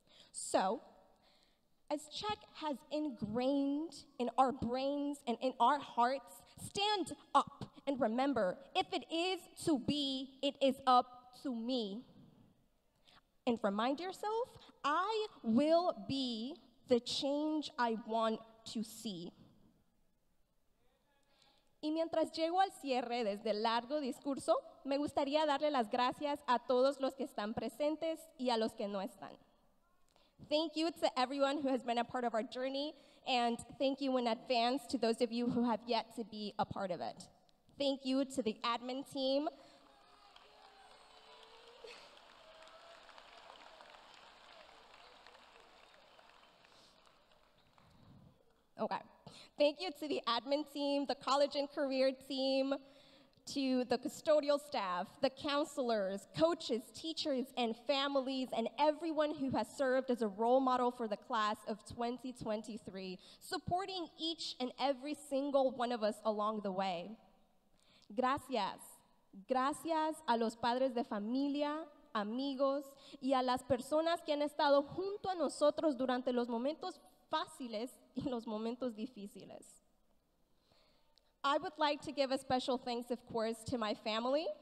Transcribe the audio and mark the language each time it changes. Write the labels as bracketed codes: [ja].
[en] So, as Czech has ingrained in our brains and in our hearts, stand up and remember, if it is to be, it is up to me. And remind yourself, I will be the change I want to see. [es] Y mientras llego al cierre desde el largo discurso, me gustaría darle las gracias a todos los que están presentes y a los que no están. [en] Thank you to everyone who has been a part of our journey, and thank you in advance to those of you who have yet to be a part of it. Thank you to the admin team. Okay. Thank you to the admin team, the college and career team, to the custodial staff, the counselors, coaches, teachers, and families, and everyone who has served as a role model for the class of 2023, supporting each and every single one of us along the way. [es] Gracias. Gracias a los padres de familia, amigos, y a las personas que han estado junto a nosotros durante los momentos fáciles y los momentos difíciles. [en] I would like to give a special thanks, of course, to my family.